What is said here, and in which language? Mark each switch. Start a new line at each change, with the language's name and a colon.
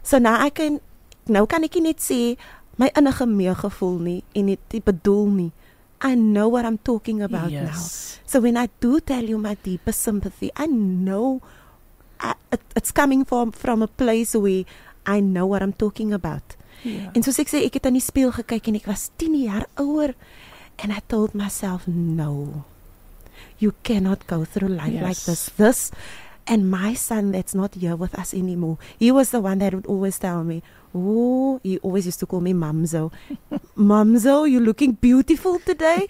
English: So now I can,
Afrikaans: nou kan ek net sê, my innige meegevoel nie, en het die bedoel nie.
English: I know what I'm talking about. Yes. Now. So when I do tell you my deepest sympathy, I know it's coming from a place where I know what I'm talking about. Yeah.
Afrikaans: En soos ek sê, ek het in die spieël gekyk en ek was 10 jaar ouer.
English: And I told myself, no, you cannot go through life. Yes. Like this. This and my son that's not here with us anymore. He was the one that would always tell me, oh, he always used to call me Mamzo. Mamzo, you're looking beautiful today.